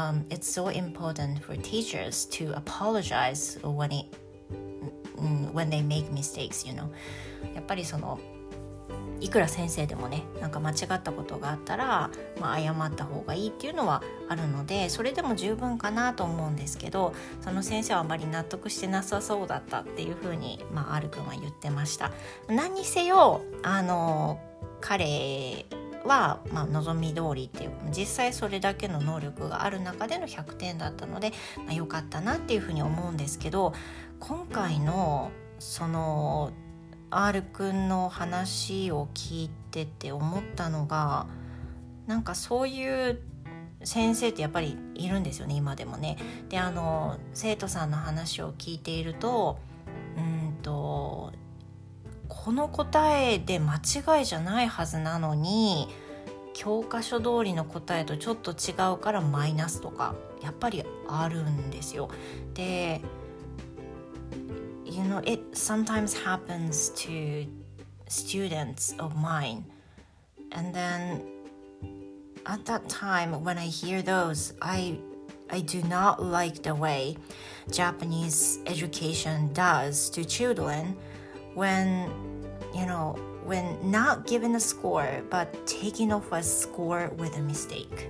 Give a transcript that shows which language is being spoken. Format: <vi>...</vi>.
<en>It's so important for teachers to apologize when they make mistakes, you know.</en> <ja>やっぱりそのいくら先生でもね、なんか間違ったことがあったら、まあ、謝った方がいいっていうのはあるので、それでも十分かなと思うんですけど、その先生はあまり納得してなさそうだったっていうふうに、まあ、R 君は言ってました。何にせよ、彼は、まあ、望み通りっていう、実際それだけの能力がある中での100点だったので、まあ、よかったなっていうふうに思うんですけど、今回のその R 君の話を聞いてって思ったのが、なんかそういう先生ってやっぱりいるんですよね、今でもね。で、生徒さんの話を聞いていると、この答えで間違いじゃないはずなのに、教科書通りの答えとちょっと違うからマイナスとかやっぱりあるんですよ。</ja> <en>で、 You know, it sometimes happens to students of mine. And then at that time when I hear those, I do not like the way Japanese education does to children whenYou know, when not given a score, but taking off a score with a mistake.</en>